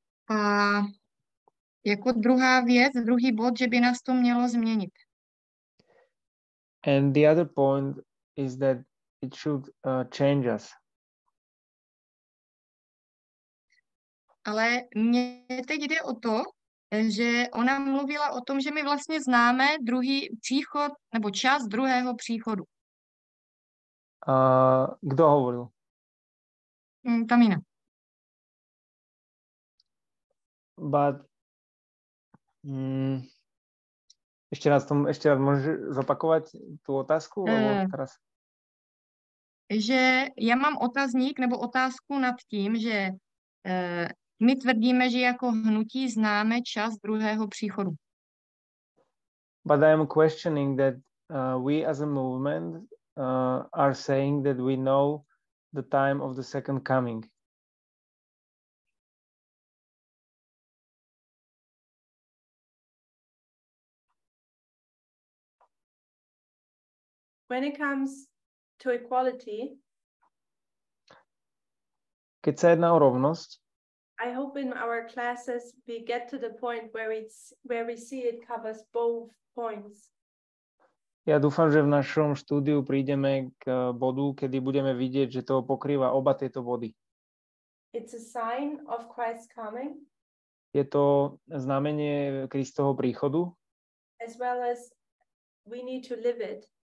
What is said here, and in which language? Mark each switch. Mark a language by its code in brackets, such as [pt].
[cs] A jako druhá věc, druhý bod, že by nás to mělo změnit. [en] And the other point is that it should change us. [cs] Ale mně teď jde o to, že ona mluvila o tom, že my vlastně známe druhý příchod nebo čas druhého příchodu. [sk] Kdo hovoril? Tamina. [cs] But ještě raz můžeš zopakovat tu otázku, že já mám otazník nebo otázku nad tím, že my tvrdíme, že jako hnutí známe čas druhého příchodu. [en] But I am questioning that we as a movement are saying that we know the time of the second coming. When it comes to equality, [sk] keď sa jedná o rovnosť, [en] I hope in our classes we get to the point where we see it covers both points. [sk] Ja dúfam, že v našom štúdiu prídeme k bodu, kedy budeme vidieť, že to pokrýva oba tieto body. [en] It's a sign of Christ's coming. [sk] Je to znamenie Kristovho príchodu. [en] As well as we need to live it.